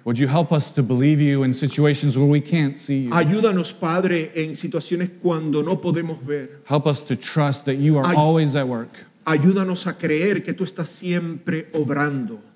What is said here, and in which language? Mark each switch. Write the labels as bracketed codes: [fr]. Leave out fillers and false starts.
[en] Would you help us to believe you in situations where we can't see you? [es] Ayúdanos, Padre, en situaciones cuando no podemos ver. [en] Help us to trust that you are always at work. [es] Ayúdanos a creer que tú estás siempre obrando.